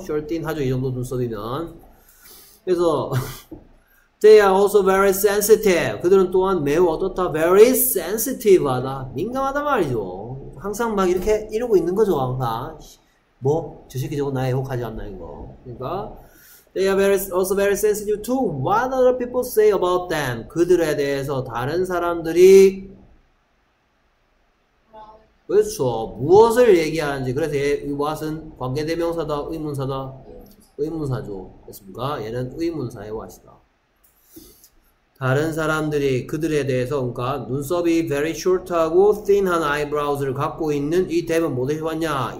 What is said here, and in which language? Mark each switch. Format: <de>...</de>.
<ko>short thin 하죠, 이 정도 눈썹이면. 그래서,</ko> <en>they are also very sensitive.</en> <ko>그들은 또한 매우 어떻다? very sensitive하다. 민감하단 말이죠. 항상 막 이렇게 이러고 있는 거죠, 항상. 뭐? 저 새끼 저거 나 애혹하지 않나, 이거. 그러니까.</ko> <en>They are also very sensitive to what other people say about them.</en> <ko>그들에 대해서 다른 사람들이. 그렇죠. 무엇을 얘기하는지. 그래서 얘, what은 관계대명사다, 의문사다. 의문사죠. 그렇습니까? 얘는 의문사의 what이다. 다른 사람들이 그들에 대해서, 그러니까 눈썹이 very short하고 thin한 eyebrows를 갖고 있는 이 대문 뭐 대신 왔냐?</ko>